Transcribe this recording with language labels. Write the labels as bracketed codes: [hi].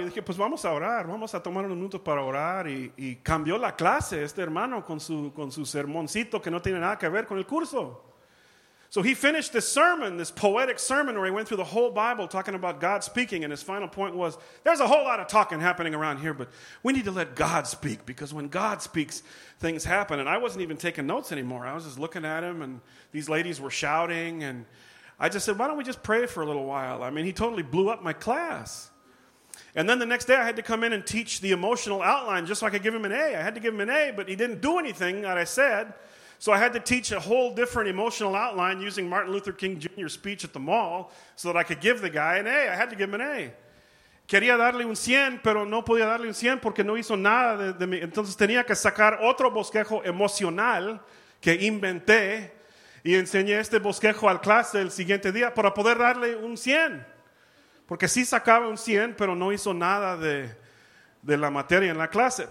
[es] Y dije, pues vamos a orar, vamos a tomar unos minutos para orar. Y cambió la clase este hermano con su sermoncito que no tiene nada que ver con el curso. [en] So he finished this sermon, this poetic sermon, where he went through the whole Bible talking about God speaking. And his final point was, there's a whole lot of talking happening around here, but we need to let God speak, because when God speaks, things happen. And I wasn't even taking notes anymore. I was just looking at him, and these ladies were shouting, and I just said, why don't we just pray for a little while? I mean, he totally blew up my class. And then the next day, I had to come in and teach the emotional outline just so I could give him an A. I had to give him an A, but he didn't do anything that I said. So I had to teach a whole different emotional outline using Martin Luther King Jr.'s speech at the mall so that I could give the guy an A. I had to give him an A. [es] Quería darle un 100, pero no podía darle un 100 porque no hizo nada de mí. Entonces tenía que sacar otro bosquejo emocional que inventé y enseñé este bosquejo al clase el siguiente día para poder darle un 100. Porque sí sacaba un 100, pero no hizo nada de la materia en la clase.